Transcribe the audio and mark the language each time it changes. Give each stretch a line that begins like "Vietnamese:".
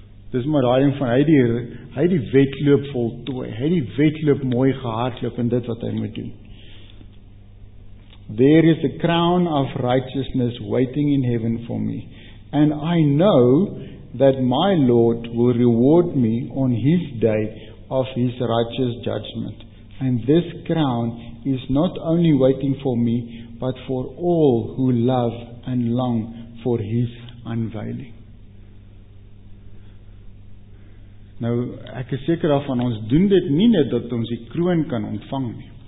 Afrikaans: Dis maar daai ding van hy die wedloop voltooi. Hy die wedloop mooi gehardloop en dit wat hy moet doen.
English: There is a crown of righteousness waiting in heaven for me, and I know that my Lord will reward me on his day of his righteous judgment. And this crown is not only waiting for me, but for all who love and long for his unveiling.
Afrikaans: Nou, ek is seker daarvan, ons doen dit nie net dat ons die kroon kan ontvang nie.